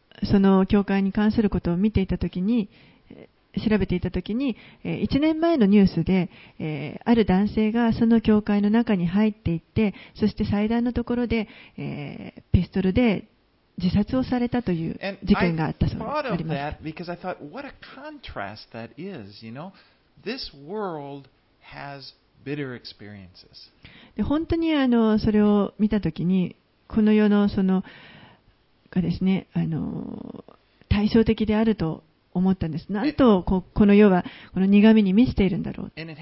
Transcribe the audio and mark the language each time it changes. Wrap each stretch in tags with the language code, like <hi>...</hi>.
<ja>その教会に関することを見ていたときに、調べていたときに、1年前のニュースで、ある男性がその教会の中に入っていって、そして祭壇のところで、ピストルで自殺をされたという事件があったそうです。</ja> <en>And I thought of that because I thought, what a contrast that is, you know? This world has bitter experiences.</en> <ja>で、本当にそれを見たときに、この世のそのがですね、対照的であると思ったんです。なんと この世はこの苦みに満ちているんだろう。</ja>